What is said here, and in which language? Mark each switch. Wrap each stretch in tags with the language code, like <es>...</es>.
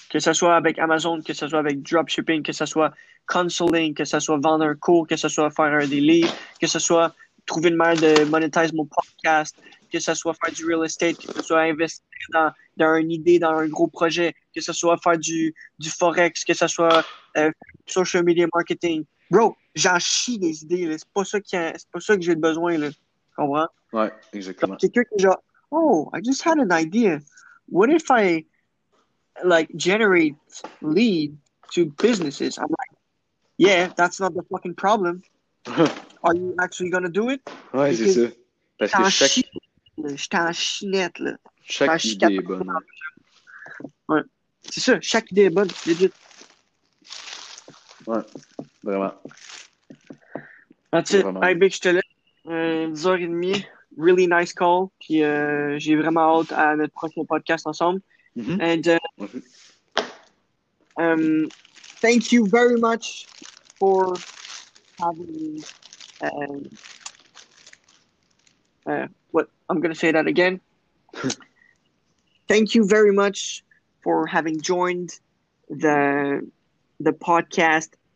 <fr>Que ce soit avec Amazon, que ce soit avec dropshipping, que ce soit consulting, que ce soit vendre un cours, que ce soit faire un daily, que ce soit trouver une manière de monétiser mon podcast, que ce soit faire du real estate, que ce soit investir dans une idée, dans un gros projet, que ce soit faire du forex, que ce soit social media marketing. Bro, j'en chie des idées, là. C'est pas ça que j'ai besoin, là. Tu comprends? Ouais, Comme exactement. quelqu'un qui genre,</fr> <en>oh, I just had an idea. What if I like generate lead to businesses? I'm like, yeah, that's not the fucking problem. Are you actually gonna do it?</en> <fr>Ouais, c'est</fr> <en>Because</en> <fr>ça. Parce que je t'en chie net, là. T'en chaque chie idée est 80%. bonne. Ouais. C'est ça, chaque idée est bonne, legit. Ouais, vraiment.</fr> <en>That's it.</en> <fr>Vraiment. Hey, Big, je te laisse. 10h30.</fr> <en>Really nice call.</en> <fr>Puis j'ai vraiment hâte à notre prochain podcast ensemble.</fr> <en>And</en> <fr>Merci.</fr> <en>thank you very much for having what I'm gonna say that again. Thank you very much for having joined the podcast.</en>